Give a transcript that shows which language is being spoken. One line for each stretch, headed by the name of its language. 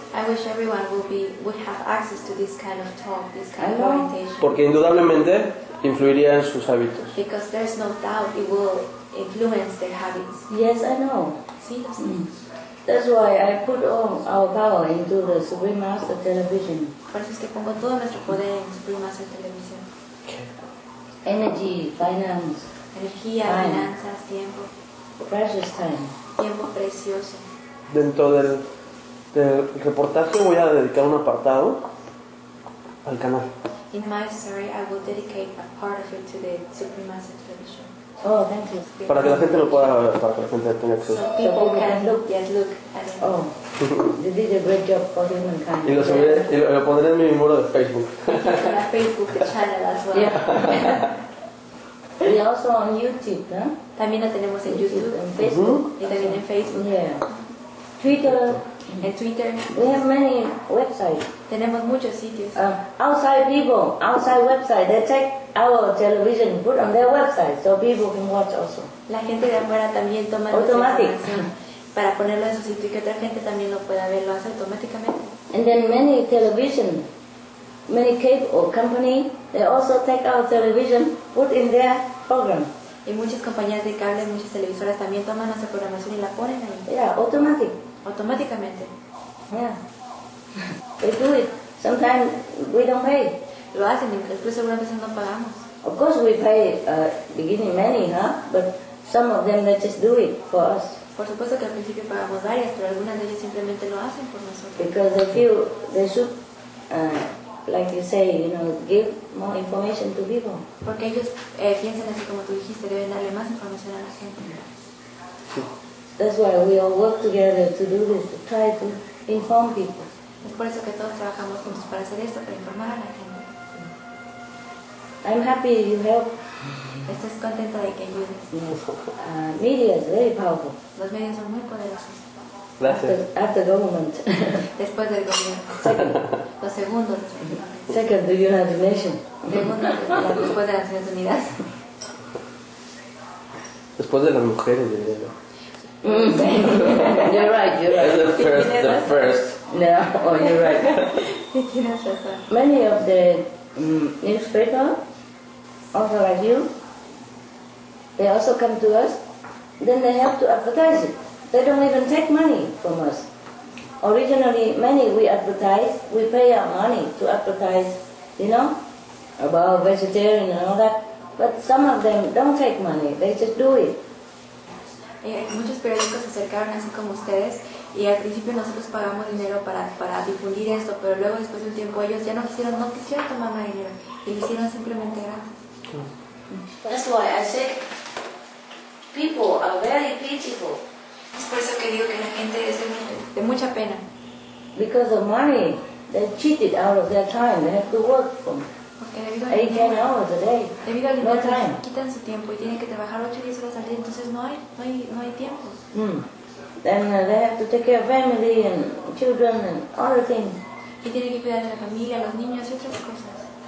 English: I wish everyone would have access to this kind of talk, this kind of orientation.
Spanish: Porque indudablemente influiría en sus hábitos.
English: Because there's no doubt it will influence their habits. Yes, I know.
Spanish: Sí, lo sé.
English: That's why I put all our power into the Supreme Master Television.
Spanish: Por eso es que pongo todo nuestro poder en Supreme Master Television.
English: Okay. Energy, finance.
Spanish: Energía, finanzas, tiempo.
English: Precious time.
Spanish: Tiempo precioso. Dentro del Del reportaje voy a dedicar un apartado al canal.
English: In my story, I will dedicate a part of it to the Supreme Master Tradition. Oh, thank you. Because
Spanish: para que la gente lo pueda ver, para que la gente tenga acceso.
English: So people can look, yes, look. Oh, you did a great job for humankind.
Spanish: Y lo subiré, y lo pondré en mi muro de Facebook.
English: On the Facebook channel as well. Yeah. We also on YouTube,
Spanish: ¿no? También lo tenemos en YouTube, en Facebook, y también en Facebook.
English: Yeah. Twitter.
Spanish: En Twitter.
English: We have many websites.
Spanish: Tenemos muchos sitios.
English: Outside people, outside website, they take our television, put on their website, so people can watch also.
Spanish: La gente de afuera también toma
English: automatic
Spanish: para ponerlo en su sitio y que otra gente también lo pueda ver, lo hace automáticamente.
English: And then many television, many cable company, they also take our television, put in their program.
Spanish: Y muchas compañías de cable, muchas televisoras también toman nuestra programación y la ponen ahí.
English: Yeah, automatic.
Spanish: Automáticamente.
English: Yeah. We do it. Sometimes we don't pay.
Spanish: Lo hacen, incluso algunas veces no pagamos.
English: Of course we pay beginning many, huh? But some of them they just do it for us.
Spanish: Por supuesto que al principio pagamos varias, pero algunas de ellas simplemente lo hacen por nosotros.
English: Because they feel they should, like you say, you know, give more information to people.
Spanish: Porque ellos piensan así como tú dijiste, deben darle más información a la gente.
English: That's why we all work together to do this, to try to inform people.
Spanish: Es por eso que todos trabajamos juntos para hacer esto, para informar a la gente.
English: I'm happy you help.
Spanish: Estás contenta de que ayudes.
English: Yes. Media is very powerful.
Spanish: Los medios son muy poderosos. Gracias.
English: After government.
Spanish: Después del gobierno.
English: Second.
Spanish: Los segundos.
English: Second, the United Nations.
Spanish: Después de las Naciones Unidas. Después de las mujeres, de verdad.
English: Mm. You're right, you're right. The first. No, oh, you're right. Many of the newspapers, also like you, they also come to us, then they have to advertise it. They don't even take money from us. Originally, many we advertise, we pay our money to advertise, you know, about vegetarian and all that. But some of them don't take money, they just do it.
Spanish: Muchos periódicos se acercaron así como ustedes y al principio nosotros pagamos dinero para difundir esto, pero luego después de un tiempo ellos ya no quisieron tomar más dinero y lo hicieron simplemente gratis.
English: That's why I say people are very pitiful.
Spanish: Es por eso que digo que la gente es de mucha pena.
English: Because of money, they cheated out of their time. They have to work for me.
Spanish: Porque debido al dinero,
English: hours a day.
Spanish: Debido al dinero, quitan su tiempo y tienen que trabajar 8 o 10 horas al día, entonces no hay tiempo.
English: Then they have to take care of family and children and other things.
Spanish: Y tienen que cuidar a la familia, a los niños y otras cosas.